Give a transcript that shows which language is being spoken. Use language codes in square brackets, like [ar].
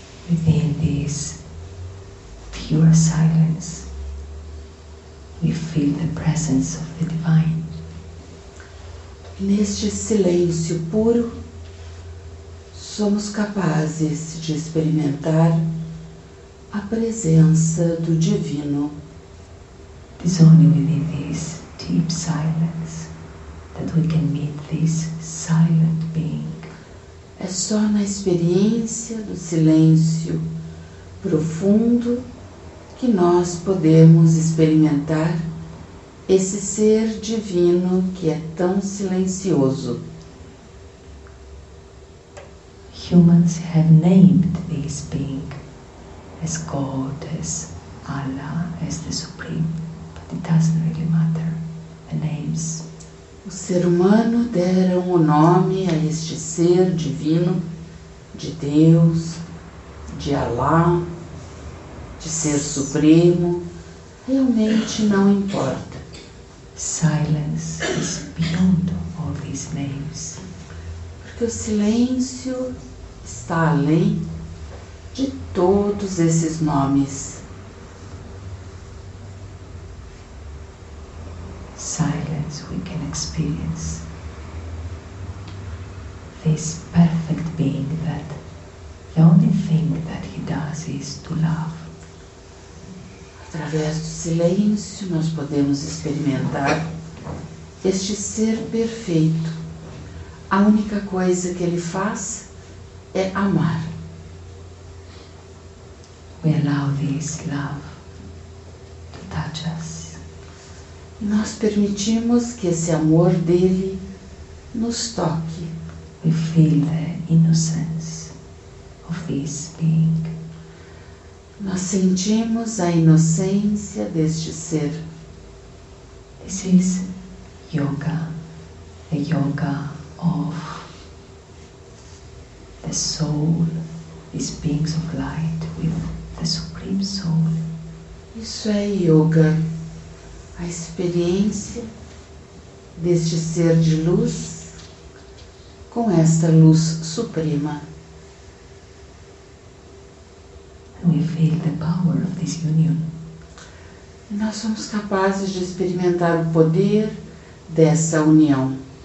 [en] Within this pure silence, we feel the presence of the divine. [pt] Neste silêncio puro, somos capazes de experimentar a presença do divino. [en] It's only within this deep silence that we can meet this silent being. [pt] É só na experiência do silêncio profundo que nós podemos experimentar esse ser divino que é tão silencioso. [en] Humans have named this being as God, as Allah, as the Supreme, but it doesn't really matter. Names. [pt] O ser humano deram o nome a este ser divino, de Deus, de Alá, de Ser Supremo, realmente não importa. [en] Silence is beyond all these names. [pt] Porque o silêncio está além de todos esses nomes. [en] We can experience this perfect being that the only thing that he does is to love. [pt] Através do silêncio nós podemos experimentar este ser perfeito. A única coisa que ele faz é amar. [en] We allow this love to touch us. [pt] Nós permitimos que esse amor dele nos toque. [en] We feel the innocence of this being. [pt] Nós sentimos a inocência deste ser. [en] This is yoga, the yoga of the soul, these beings of light with the Supreme Soul. [pt] Isso é yoga. A experiência deste ser de luz com esta luz suprema. [en] feel the power of this union. [pt] E nós somos capazes de experimentar o poder dessa união.